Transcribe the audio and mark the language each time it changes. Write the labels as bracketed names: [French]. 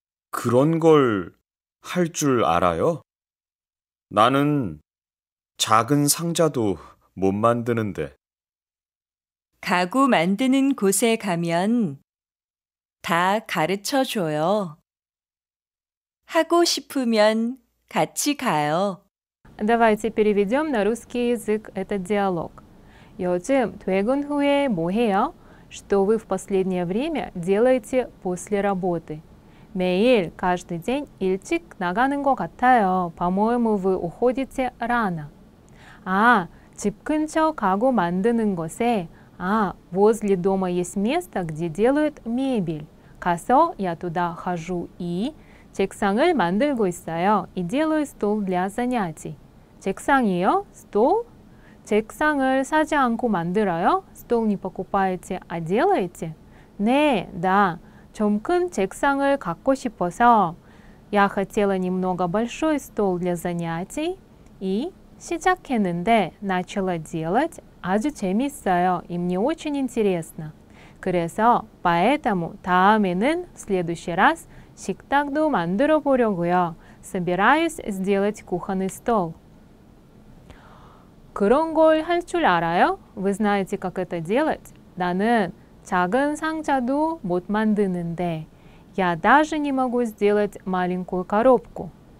[Korean] 그런 걸 할 줄 알아요? 나는 작은 상자도 못 만드는데. 가구 만드는 곳에 가면 다 가르쳐 줘요. 하고 싶으면 같이 가요. [Russian] Давайте переведем на русский язык этот диалог. [Korean] 요즘 퇴근 후에 뭐 해요? [Russian] Что вы в последнее время делаете после работы? [Korean] 매일, [Russian] каждый день, [Korean] 일찍 나가는 것 같아요. [Russian] По-моему, вы уходите рано. [Korean] 아, 집 근처 가구 만드는 곳에. [Russian] 아, возле дома есть место, где делают мебель. [Korean] 가서 [Russian] я туда хожу и [Korean] 책상을 만들고 있어요. [Russian] И делаю стол для занятий. [Korean] 책상이요? [Russian] Стол? [Korean] 책상을 사지 않고 만들어요? [Russian] Стол не покупаете, а делаете? [Korean] 네, 다. 좀 큰 책상을 갖고 싶어서 [Russian] Я хотела немного большой стол для занятий и [Korean] 시작했는데 [Russian] начала делать [Korean] 아주 재밌어요. [Russian] И мне очень интересно. [Korean] 그래서 [Russian] поэтому [Korean] 다음에는 [Russian] в следующий раз [Korean] 식탁도 만들어 보려고요. [Russian] Собираюсь сделать кухонный стол. [Korean] 그런 걸 할 줄 알아요? [Russian] Вы знаете, как это делать? [Korean] 나는 작은 상자도 못 만드는데 [Russian] Я даже не могу сделать маленькую коробку.